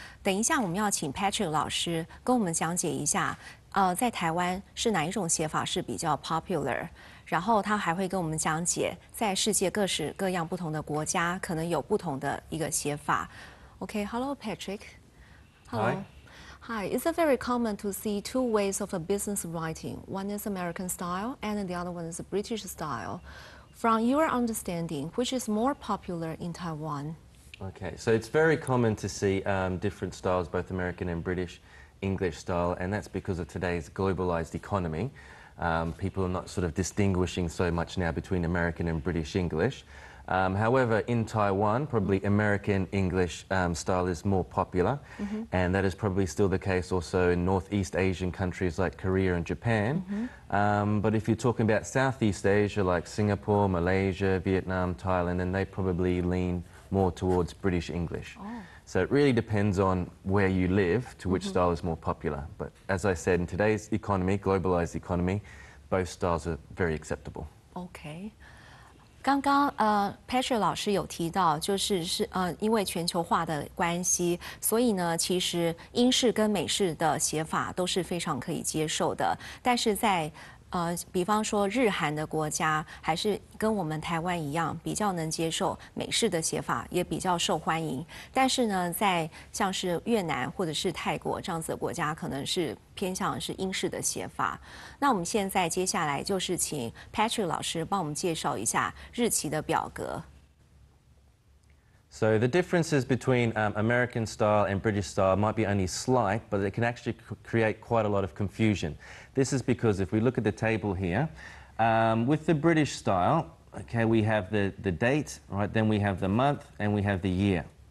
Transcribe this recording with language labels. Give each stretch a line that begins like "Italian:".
Chinese: 等一下我们要请 Patrick 老师跟我们讲解一下，在台湾是哪一种写法是比较 popular， 然后他还会跟我们讲解在世界各式各样不同的国家可能有不同的一个写法。
English: OK， Hello Patrick Hello. Hi. Hi. It's very common to see two ways of a business writing. One is American style, and the other one is British style. From your understanding, which is more popular in Taiwan? Okay. So it's very common to see different styles, both American and British English style, and that's because of today's globalized economy. People are not sort of distinguishing so much now between American and British English. However, in Taiwan, probably American English style is more popular, and that is probably still the case also in Northeast Asian countries like Korea and Japan. But if you're talking about Southeast Asia, like Singapore, Malaysia, Vietnam, Thailand, then they probably lean more towards British English. So it really depends on where you live to which style is more popular. But as I said, in today's economy, globalized economy, both styles are very acceptable. Okay.
Chinese: 刚刚Patrick 老师有提到，就是因为全球化的关系，所以呢，其实英式跟美式的写法都是非常可以接受的。但是在比方说日韩的国家，还是跟我们台湾一样，比较能接受美式的写法，也比较受欢迎。但是呢，在像是越南或者是泰国这样子的国家，可能是偏向是英式的写法。那我们现在接下来就是请 Patrick 老师帮我们介绍一下日期的表格。
English: So the differences between American style and British style might be only slight, but it can actually create quite a lot of confusion. This is because if we look at the table here, with the British style, okay, we have the date, right, then we have the month, and we have the year.